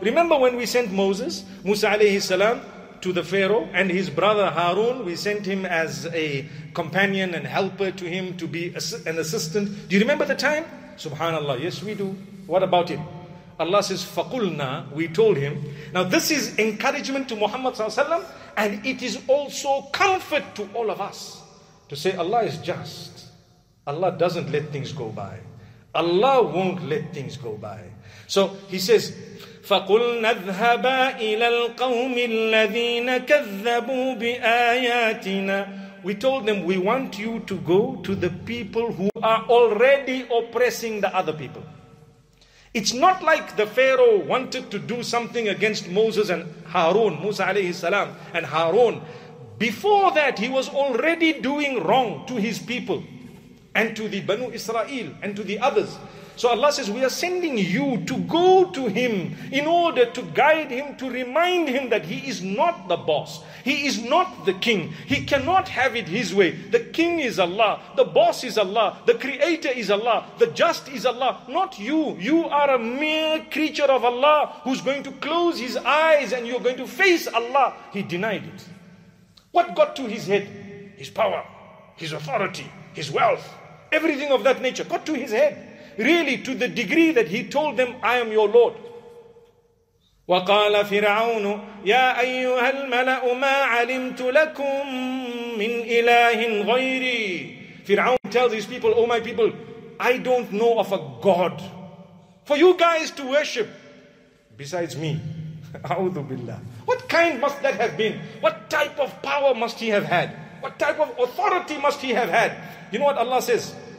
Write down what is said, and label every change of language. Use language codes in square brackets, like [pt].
[en] Remember when we sent Moses, Musa alayhi salam, to the Pharaoh, and his brother Harun, we sent him as a companion and helper to him, to be an assistant. Do you remember the time? SubhanAllah. Yes, we do. What about it? Allah says, [ar] فَقُلْنَا, [en] we told him. Now this is encouragement to Muhammad sallallahu alayhi wa sallam, and it is also comfort to all of us to say Allah is just. Allah doesn't let things go by. Allah won't let things go by. So he says, [ar] فَقُلْنَا اذْهَبَا إِلَى الْقَوْمِ الَّذِينَ كَذَّبُوا بِآيَاتِنَا. [en] We told them, we want you to go to the people who are already oppressing the other people. It's not like the Pharaoh wanted to do something against Moses and Harun, Musa alayhi salam and Harun. Before that, he was already doing wrong to his people and to the Banu Israel and to the others. So Allah says, we are sending you to go to him in order to guide him, to remind him that he is not the boss. He is not the king. He cannot have it his way. The king is Allah. The boss is Allah. The creator is Allah. The just is Allah. Not you. You are a mere creature of Allah who's going to close his eyes and you're going to face Allah. He denied it. What got to his head? His power, his authority, his wealth, everything of that nature got to his head. Really, to the degree that he told them, I am your Lord. [ar] وقال فرعون: يا أيها الملأ ما علمت لكم من إله غيري. [en] Fir'aun tells his people, oh my people, I don't know of a God for you guys to worship besides me. A'udhu billah. What kind must that have been? What type of power must he have had? What type of authority must he have had? You know what Allah says?